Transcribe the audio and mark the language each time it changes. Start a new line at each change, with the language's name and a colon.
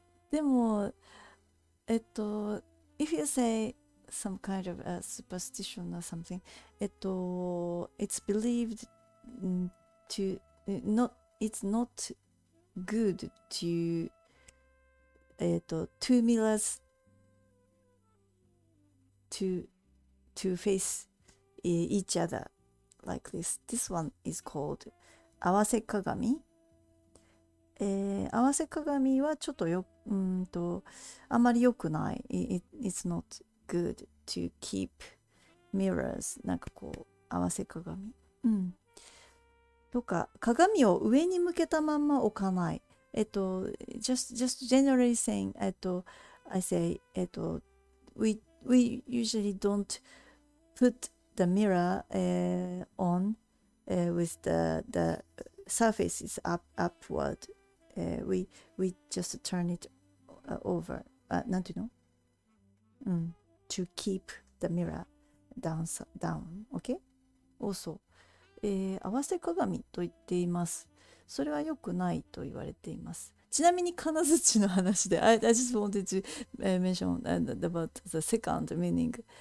English: でも、if you say some kind of a superstition or something, it's believed to not, it's not good to, two mirrors to face each other like this. This one is called 合わせ鏡。
Japanese: 合わせ鏡はちょっとよ、あまり良くない。
English: It's not good to keep mirrors.
Japanese: なんかこう、合わせ鏡。とか、鏡を上に向けたまま置かない。
English: just generally saying, I say, we usually don't put the mirror on with the surfaces upward. We just turn it over.
Japanese: なんていうの、
English: to keep the mirror down. Okay? Also,
Japanese: 合わせ鏡と言っています。それは良くないと言われています。ちなみに金槌の話で、
English: I just wanted to mention about the second meaning.